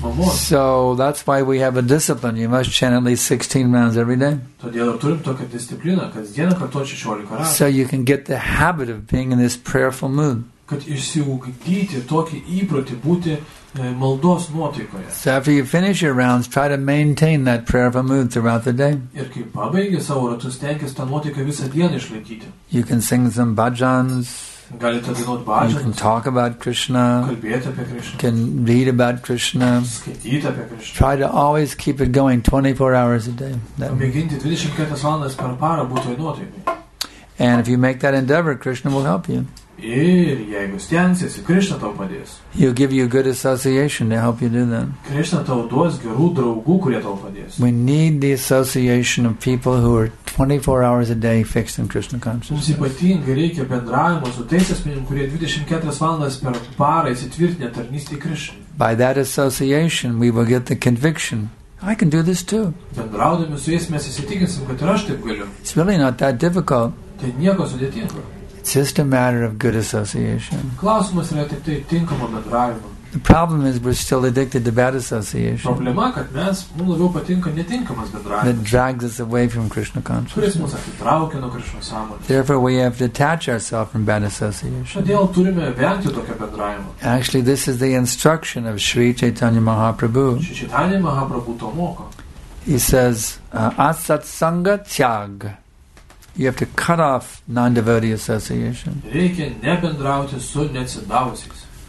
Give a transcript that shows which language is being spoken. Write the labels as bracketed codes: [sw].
[en] So that's why we have a discipline. You must chant at least 16 rounds every day. So you can get the habit of being in this prayerful mood. [lt] Kad išsiugdyti tokį įprotį būti maldos nuotaikoje. [en] So after you finish your rounds, try to maintain that prayerful mood throughout the day. [lt] Ir kai pabaigi savo ratus, stengiasi tą nuotaiką visą dieną išlaikyti. [en] You can sing some bhajans. [lt] Galite dainuoti bhajans. [en] You can talk about Krishna. [lt] Kalbėti apie Krishna. [en] Can read about Krishna. [lt] Skaityti apie Krishna. [en] Try to always keep it going 24 hours a day. [lt] Mėginti 24 valandas per parą būti nuotaikoje. [en] And if you make that endeavor, Krishna will help you. [lt] Ir jeigu stengsiesi, Krishna tau padės. [en] He'll give you good association to help you do that. [lt] Krishna tau duos gerų draugų, kurie tau padės. [en] We need the association of people who are 24 hours a day fixed in Krishna consciousness. [lt] Mums ypatingai reikia bendravimo su tais asmenim, kurie 24 valandas per parą įsitvirtinę tarnystį Krishna. [en] By that association, we will get the conviction. I can do this too. [lt] Bendraudami su jais mes įsitikinsim, kad ir aš taip galiu. [en] It's really not that difficult. [lt] Tai nieko sudėtingo. [en] It's just a matter of good association. [lt] Klausimas yra tik tai tinkamo bendravimo. [en] The problem is we're still addicted to bad association. [lt] Problema, kad mes mums labiau patinka netinkamas bendravimas. [en] That drags us away from Krishna consciousness. [lt] Kuris mus atitraukia nuo Krishna sąmonės. [en] Therefore we have to detach ourselves from bad association. [lt] Todėl turime vengti tokio bendravimo. [en] Actually this is the instruction of Sri Chaitanya Mahaprabhu. [lt] Sri Chaitanya Mahaprabhu to moko. [en] He says, asat sanga tyag. You have to cut off non-devotee association. [lt] Reikia nebendrauti su neatsidavusiais.